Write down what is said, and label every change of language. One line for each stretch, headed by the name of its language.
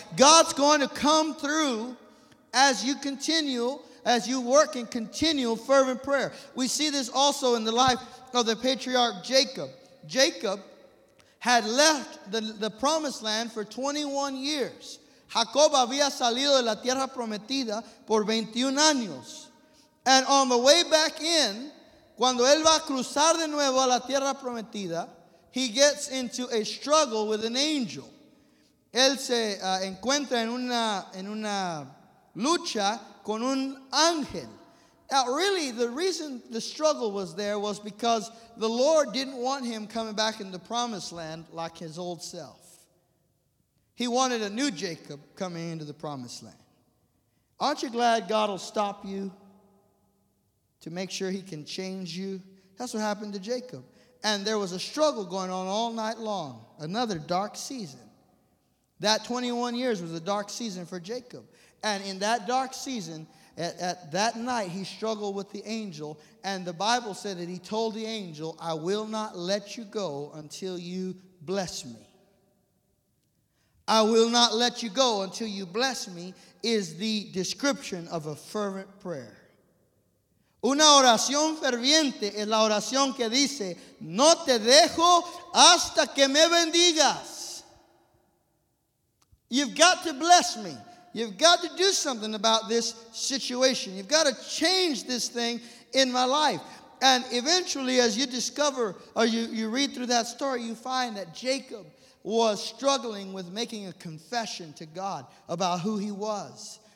English: God's going to come through as you continue, as you work in continual fervent prayer. We see this also in the life of the patriarch Jacob. Jacob had left the promised land for 21 years.
Spanish: Jacob había salido de la tierra prometida por 21 años.
English: And on the way back in,
Spanish: cuando él va a cruzar de nuevo a la tierra prometida,
English: he gets into a struggle with an angel.
Spanish: Él se encuentra en una lucha con un ángel.
English: Now, really, the reason the struggle was there was because the Lord didn't want him coming back in the promised land like his old self. He wanted a new Jacob coming into the promised land. Aren't you glad God will stop you to make sure he can change you? That's what happened to Jacob. And there was a struggle going on all night long, another dark season. That 21 years was a dark season for Jacob. And in that dark season, at that night, he struggled with the angel. And the Bible said that he told the angel, I will not let you go until you bless me. I will not let you go until you bless me is the description of a fervent prayer.
Spanish: Una oración ferviente es la oración que dice, no te dejo hasta que me bendigas.
English: You've got to bless me. You've got to do something about this situation. You've got to change this thing in my life. And eventually, as you discover, or you read through that story, you find that Jacob was struggling with making a confession to God about who he was.